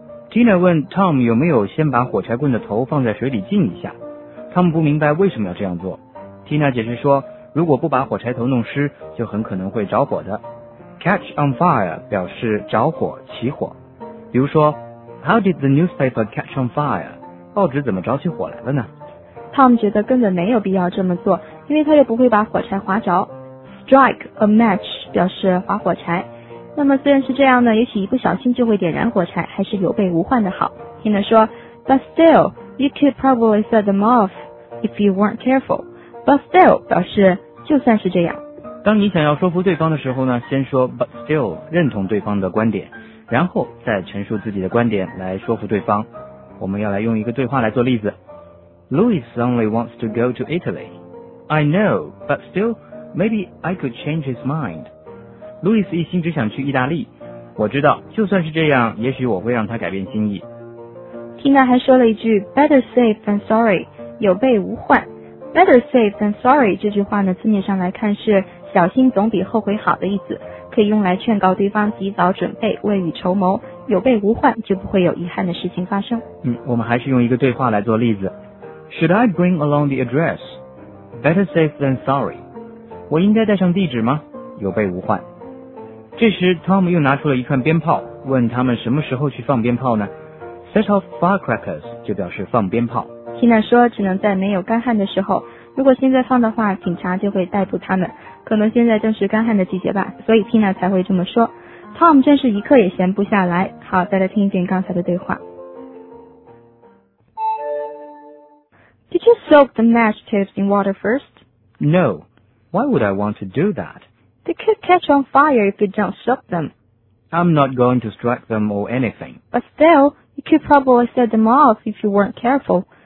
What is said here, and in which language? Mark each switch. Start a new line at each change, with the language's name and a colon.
Chinese: Tina 问 Tom 有没有先把火柴棍的头放在水里浸一下。 Tom 不明白为什么要这样做。Tina 解释说，如果不把火柴头弄湿，就很可能会着火的。 Catch on fire 表示着火、起火。比如说
English: How did the newspaper catch on fire?
Chinese: 报纸怎么着起火来了呢？ Tom 觉得根本没有必要这么做，因为他又不会把火柴划着。 Strike a match 表示划火柴，那么虽然是这样呢，也许一不小心就会点燃火柴，还是有备无患的好。
English: Tina
Chinese: 说
English: But still, you could probably set them off if you weren't careful.
Chinese: But still 表示就算是这样。当你想要说服对方的时候呢，先说 but still， 认同对方的观点，然后再陈述自己的观点来说服对方。我们要来用一个对话来做例子。
English: Louis only wants to go to Italy. I know, but still, maybe I could change his mind.
Chinese: Louis 一心只想去意大利，我知道，就算是这样，也许我会让他改变心意。 Tina 还说了一句 better safe than sorry， 有备无患。 better safe than sorry 这句话呢，字面上来看是小心总比后悔好的意思，可以用来劝告对方及早准备，未雨绸缪，有备无患，就不会有遗憾的事情发生。我们还是用一个对话来做例子。
English: Should I bring along the address? Better safe than sorry.
Chinese: 我应该带上地址吗？有备无患。这时 Tom 又拿出了一串鞭炮，问他们什么时候去放鞭炮呢？ Set off firecrackers 就表示放鞭炮。 Tina 说只能在没有干旱的时候，如果现在放的话，警察就会逮捕他们，可能现在正是干旱的季节吧，所以 Tina 才会这么说。 Tom 真是一刻也闲不下来。好，再来听一遍刚才的对话。
English: Did you soak the match tips in water first? No. Why would I want to do that? They could catch on fire if you don't soak them. I'm not going to strike them or anything. But still, you could probably set them off if you weren't careful.